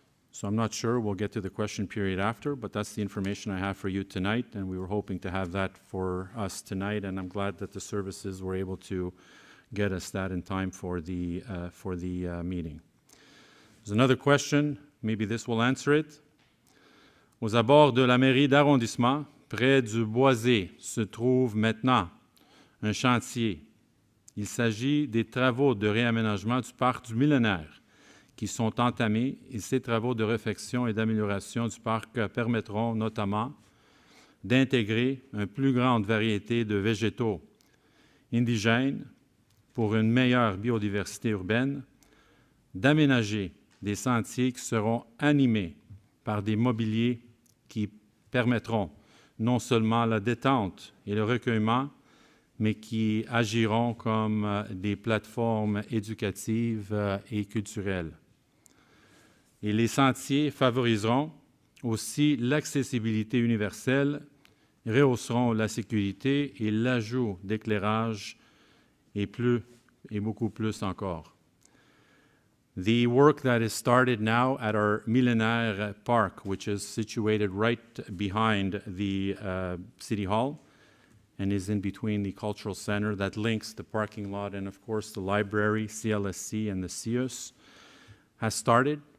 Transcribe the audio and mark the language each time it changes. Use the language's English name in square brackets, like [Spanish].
[English] So I'm not sure, we'll get to the question period after, but that's the information I have for you tonight, and we were hoping to have that for us tonight, and I'm glad that the services were able to get us that in time for the meeting. There's another question, maybe this will answer it. [French] Aux abords de la mairie d'arrondissement, près du Boisé, se trouve maintenant un chantier. Il s'agit des travaux de réaménagement du parc du Millénaire qui sont entamés, et ces travaux de réfection et d'amélioration du parc permettront notamment d'intégrer une plus grande variété de végétaux indigènes pour une meilleure biodiversité urbaine, d'aménager des sentiers qui seront animés par des mobiliers qui permettront non seulement la détente et le recueillement, mais qui agiront comme des plateformes éducatives et culturelles. Et les sentiers favoriseront aussi l'accessibilité universelle, rehausseront la sécurité et l'ajout d'éclairage et beaucoup plus encore. [English] The work that is started now at our Millenaire Park, which is situated right behind the City Hall and is in between the Cultural Center that links the parking lot and, of course, the library, CLSC and the CIUS, has started.